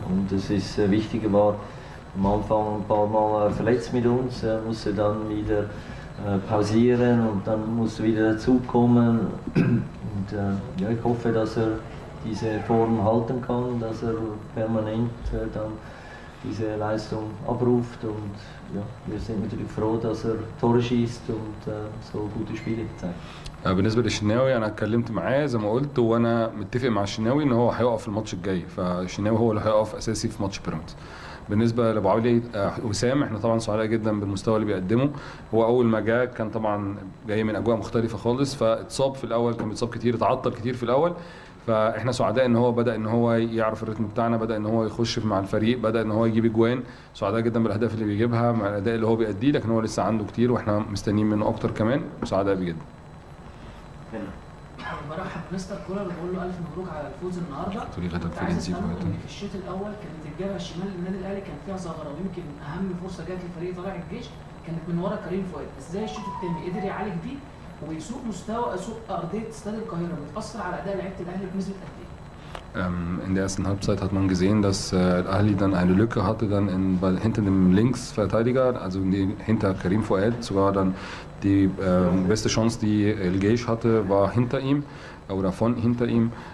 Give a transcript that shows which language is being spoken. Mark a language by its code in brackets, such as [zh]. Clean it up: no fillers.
[de] Und es ist wichtig, war am Anfang ein paar Mal verletzt mit uns, musste dann wieder pausieren und dann musste wieder dazukommen. Und ja, ich hoffe, dass er diese Form halten kann, dass er permanent dann diese Leistung abruft. Und ja, wir sind natürlich froh, dass er Tore schießt und so gute Spiele zeigt. [ar] بالنسبه للشناوي انا اتكلمت معاه زي ما قلت وانا متفق مع الشناوي ان هو هيقف في الماتش الجاي، فالشناوي هو اللي هيقف اساسي في ماتش بيراميدز. بالنسبه لابو علي وسام احنا طبعا سعداء جدا بالمستوى اللي بيقدمه، هو اول ما جاء كان طبعا جاي من اجواء مختلفه خالص، فاتصاب في الاول، كان بيتصاب كتير، اتعطل كتير في الاول، فاحنا سعداء ان هو بدا ان هو يعرف الريتم بتاعنا، بدا ان هو يخش مع الفريق، بدا ان هو يجيب اجوان، سعداء جدا بالاهداف اللي بيجيبها مع الاداء اللي هو بيأديه، لكن هو لسه عنده كتير واحنا مستنيين منه اكتر كمان، وسعداء بيه جدا. برحب مستر كولر وبقول له الف مبروك على الفوز النهارده. تقولي غدا في جنسي في الشوط الاول كانت الجبهه الشمال للنادي الاهلي كان فيها ثغره، ويمكن اهم فرصه جت للفريق طالع الجيش كانت من ورا كريم فؤاد، ازاي الشوط الثاني قدر يعالج دي ويسوق مستوى اسوق ارضيه استاد القاهره بتاثر على اداء لعيبه الاهلي بنسبه قد ايه؟ [de] In der ersten Halbzeit hat man gesehen, dass Ahli dann eine Lücke hatte dann in, bei, hinter dem Linksverteidiger, also die, hinter Karim Fouad sogar dann die beste Chance, die El Geish hatte, war hinter ihm oder von hinter ihm.